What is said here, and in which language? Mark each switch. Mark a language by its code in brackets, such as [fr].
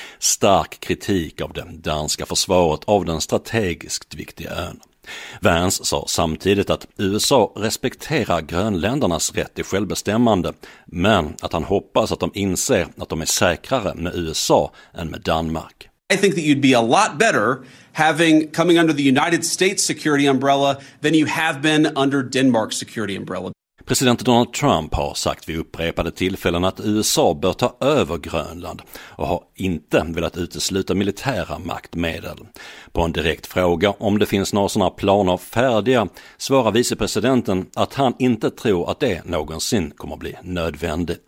[sv] Stark kritik av det danska försvaret av den strategiskt viktiga ön. Vance sa samtidigt att USA respekterar grönländernas rätt till självbestämmande, men att han hoppas att de inser att de är säkrare med USA än med Danmark. [en] I think that you'd be a lot better having coming under the United States security umbrella than you have been under Denmark's security umbrella. [sv] President Donald Trump har sagt vid upprepade tillfällen att USA bör ta över Grönland och har inte velat utesluta militära maktmedel. På en direkt fråga om det finns några sådana planer färdiga svarar vicepresidenten att han inte tror att det någonsin kommer bli nödvändigt.